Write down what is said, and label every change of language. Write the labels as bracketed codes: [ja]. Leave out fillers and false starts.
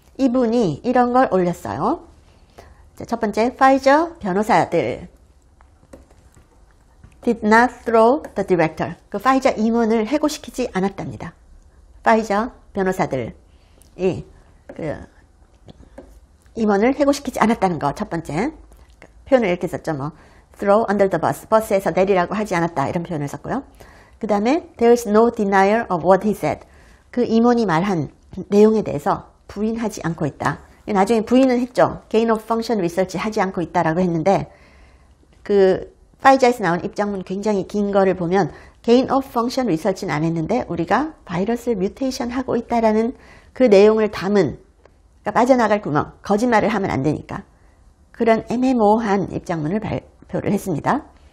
[ko] 이분이 이런 걸 올렸어요. 자, 첫 번째, 파이저 변호사들 [en] did not throw the director. [ko] 그 파이저 임원을 해고시키지 않았답니다. 파이저 변호사들이 그 임원을 해고시키지 않았다는 거, 첫 번째. 표현을 이렇게 썼죠. 뭐, [en] throw under the bus. [ko] 버스에서 내리라고 하지 않았다. 이런 표현을 썼고요. [en] 그 다음에 there is no denial of what he said. [ko] 그 임원이 말한 내용에 대해서 부인하지 않고 있다. 나중에 부인은 했죠. gain of function research 하지 않고 있다라고 했는데, 그 파이자에서 나온 입장문 굉장히 긴 거를 보면 gain of function research는 안 했는데 우리가 바이러스를 뮤테이션 하고 있다라는 그 내용을 담은, 그러니까 빠져나갈 구멍, 거짓말을 하면 안 되니까 그런 애매모호한 입장문을 발표를 했습니다.